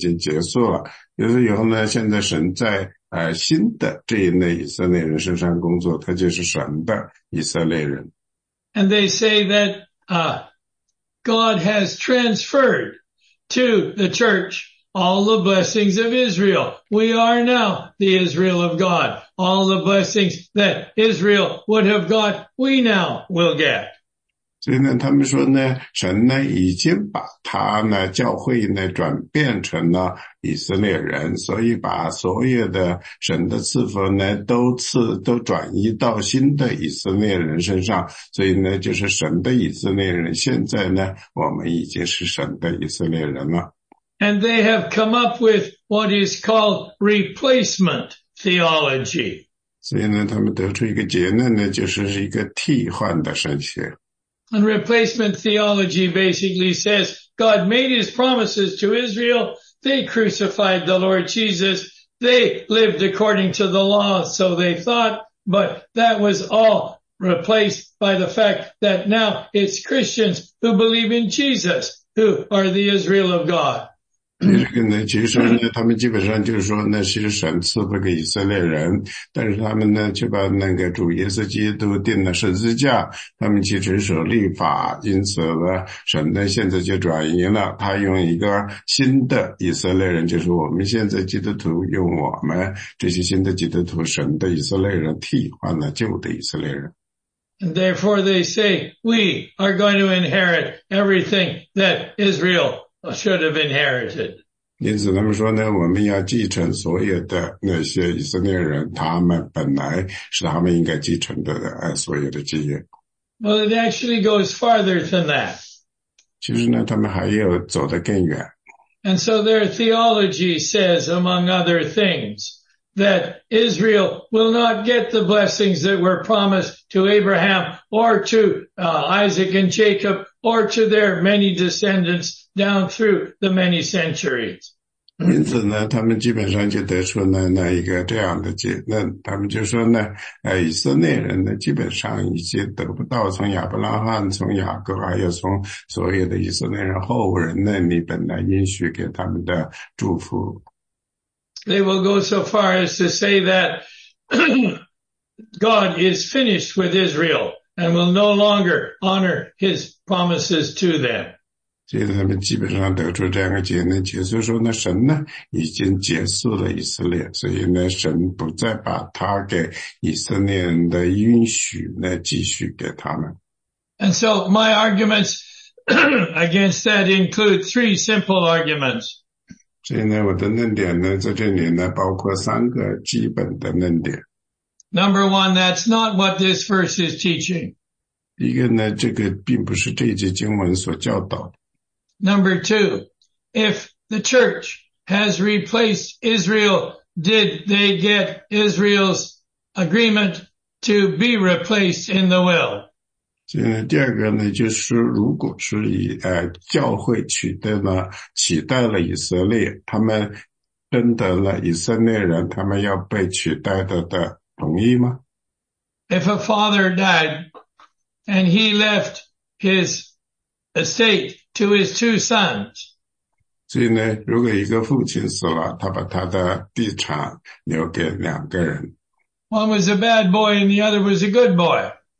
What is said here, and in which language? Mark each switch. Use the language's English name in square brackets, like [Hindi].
[Chinese] 所以呢,他们根据这一节经文还有其他的经文呢,他们说呢,其实呢,神在以色列人身上已经结束了。有的时候呢,现在神在 新的这一类以色列人身上工作,他就是神的以色列人。 [English] And they say that God has transferred to the church all the blessings of Israel. We are now the Israel of God. All the blessings that Israel would have got, we now will get. [Chinese] 所以呢，他们说呢，神呢已经把他呢教会呢转变成了以色列人，所以把所有的神的赐福呢都转移到新的以色列人身上。所以呢，就是神的以色列人，现在呢，我们已经是神的以色列人了。 [English] And they have come up with what is called replacement theology. [Chinese] 所以呢，他们得出一个结论呢，就是一个替换的神学。 [English] And replacement theology basically says God made his promises to Israel. They crucified the Lord Jesus. They lived according to the law, so they thought. But that was all replaced by the fact that now it's Christians who believe in Jesus who are the Israel of God. [Chinese] 其实呢，他们基本上就是说呢，其实神赐福给以色列人，但是他们呢，却把那个主耶稣基督钉了十字架，他们其实守律法，因此呢，神呢现在就转移了，他用一个新的以色列人，就是我们现在基督徒，用我们这些新的基督徒，神的以色列人替换了旧的以色列人。 [English] And therefore they say, we are going to inherit everything that Israel. Should have inherited. [Chinese] 因此他们说呢，我们要继承所有的那些以色列人，他们本来是他们应该继承的所有的基业。 [English] Well, it actually goes farther than that. [Chinese] 其实呢，他们还要走得更远。 [English] And so their theology says, among other things, that Israel will not get the blessings that were promised to Abraham or to Isaac and Jacob or to their many descendants. Down through the many centuries. [Chinese] 因此呢，他们基本上就得出呢那一个这样的结论。他们就说呢，以色列人呢基本上已经得不到从亚伯拉罕、从雅各，还有从所有的以色列人后人那里本来应许给他们的祝福。 [English] They will go so far as to say that God is finished with Israel and will no longer honor His promises to them. [Chinese] 所以他们基本上得出这样的结论，结束说呢，神呢已经结束了以色列，所以呢，神不再把他给以色列人的应许呢继续给他们。 [English] And so my arguments against that include three simple arguments. [Chinese] 所以呢，我的论点呢，在这里呢，包括三个基本的论点。 [English] Number one, that's not what this verse is teaching. [Chinese] 一个呢，这个并不是这节经文所教导的。 [English] Number two, if the church has replaced Israel, did they get Israel's agreement to be replaced in the will? [Chinese] 所以呢，第二个呢，就是如果是以教会取代了以色列，他们征得了以色列人，他们要被取代的同意吗？ [English] If a father died and he left his estate. To his two sons. [Chinese] 所以呢，如果一个父亲死了，他把他的地产留给两个人。 [English] One was a bad boy and the other was a good boy.